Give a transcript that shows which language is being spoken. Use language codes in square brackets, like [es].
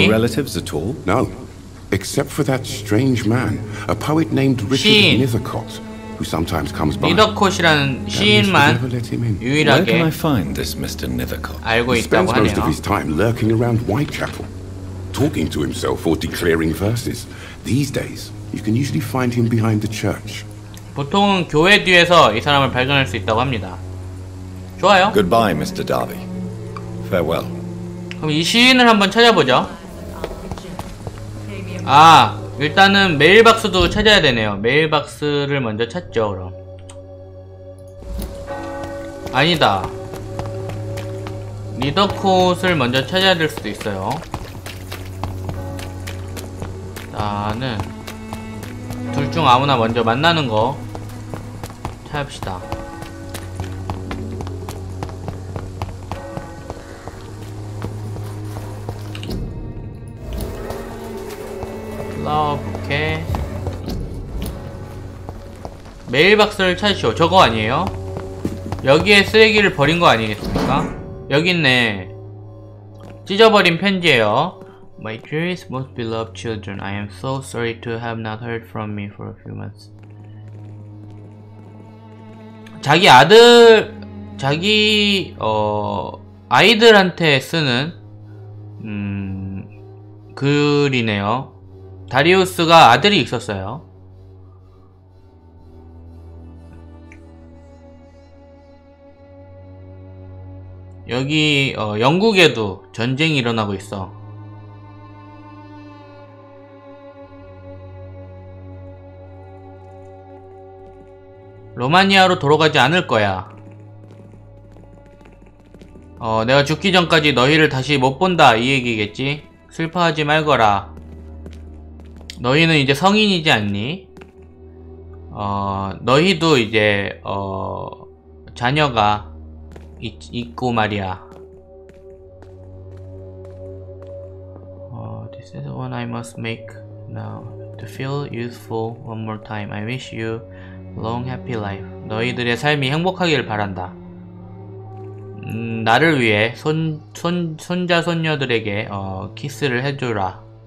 [en] He has no relatives at all. No, except for that strange man, a poet named Richard Nethercott. Who sometimes comes by. [ko] 니더콧이라는 시인만 유일하게 [en] Where can I find this Mr. Nethercott? [ko] 알고 있다고 하네요. [en] He spends most of his time lurking around Whitechapel, talking to himself or declaring verses. These days, you can usually find him behind the church. [ko] 보통은 교회 뒤에서 이 사람을 발견할 수 있다고 합니다. 좋아요. [en] Goodbye, Mr. Darby. Farewell. [ko] 그럼 이 시인을 한번 찾아보죠. 아. 일단은 메일박스도 찾아야 되네요. 메일박스를 먼저 찾죠. 그럼 아니다. 리더콧을 먼저 찾아야 될 수도 있어요. 나는 둘 중 아무나 먼저 만나는 거 찾읍시다. 올라와볼게. 메일박스를 찾으시오. 저거 아니에요? 여기에 쓰레기를 버린 거 아니겠습니까? 여기 있네. 찢어버린 편지예요. [en] My dearest, most beloved children, I am so sorry to have not heard from me for a few months. [ko] 자기 아들, 자기 아이들한테 쓰는 글이네요. 다리우스가 아들이 있었어요. 여기 영국에도 전쟁이 일어나고 있어. 로마니아로 돌아가지 않을 거야. 내가 죽기 전까지 너희를 다시 못 본다 이 얘기겠지? 슬퍼하지 말거라. 너희는 이제 성인이지 않니? 너희도 이제 자녀가 있고 말이야. [en] This is one I must make now to feel youthful one more time. I wish you long happy life. [ko] 너희들의 삶이 행복하기를 바란다. 나를 위해 손자 손녀들에게 키스를 해주라.